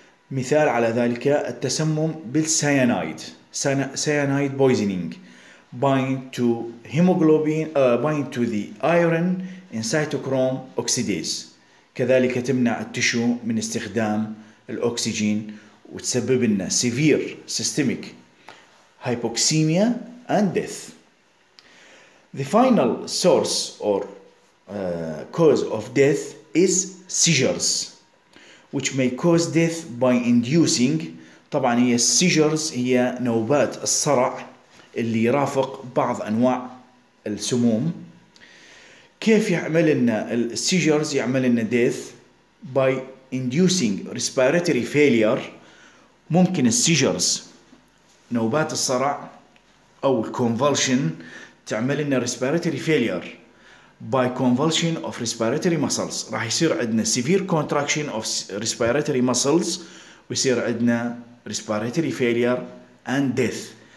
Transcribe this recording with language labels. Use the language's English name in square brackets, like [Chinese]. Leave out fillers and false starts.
[Arabic] مثال على ذلك التسمم بالسيانايد, سيانايد [English] poisoning bind to the iron in cytochrome oxidase, [Arabic] كذلك تمنع التشو من استخدام الأكسجين وتسبب لنا [English] severe systemic hypoxemia and death. The final source or cause of death is seizures, which may cause death by inducing. [Arabic] طبعا هي seizures هي نوبات الصرع اللي يرافق بعض أنواع السموم. كيف يعمل لنا [English] seizures؟ [Arabic] يعمل لنا [English] death by inducing respiratory failure. [Arabic] ممكن [English] seizures [Arabic] نوبات الصرع أو [English] convulsion [Arabic] تعمل لنا [English] respiratory failure by convulsion of respiratory muscles, [Arabic] راح يصير عندنا [English] severe contraction of respiratory muscles [Arabic] ويصير عندنا [English] respiratory failure and death.